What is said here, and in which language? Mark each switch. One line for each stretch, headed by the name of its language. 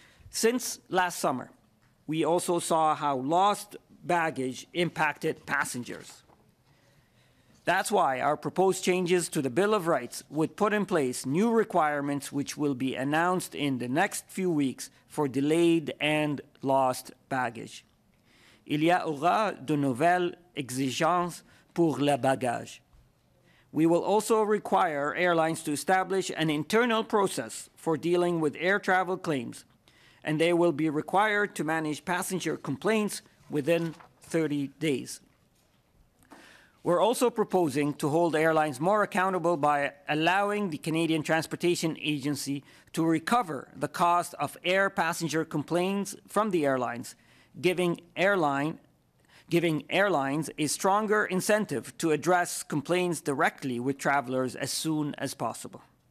English: Since last summer, we also saw how lost baggage impacted passengers. That's why our proposed changes to the Bill of Rights would put in place new requirements which will be announced in the next few weeks for delayed and lost baggage.
French: Il y aura de nouvelles exigences pour le bagage.
English: We will also require airlines to establish an internal process for dealing with air travel claims, and they will be required to manage passenger complaints within 30 days. We're also proposing to hold airlines more accountable by allowing the Canadian Transportation Agency to recover the cost of air passenger complaints from the airlines, giving airlines a stronger incentive to address complaints directly with travelers as soon as possible.